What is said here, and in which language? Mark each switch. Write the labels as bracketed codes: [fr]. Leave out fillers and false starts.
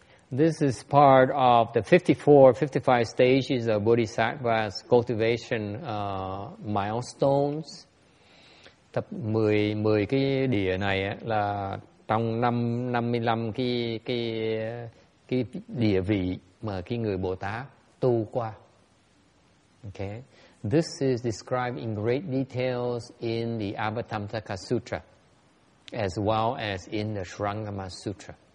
[en] This is part of the 54-55 stages of Bodhisattva's cultivation milestones. [vi] Tập 10 cái địa này là trong năm 55 cái địa vị mà cái người Bồ Tát tu qua. [en] Okay. This is described in great details in the Avatamsaka Sutra as well as in the Sharangama Sutra.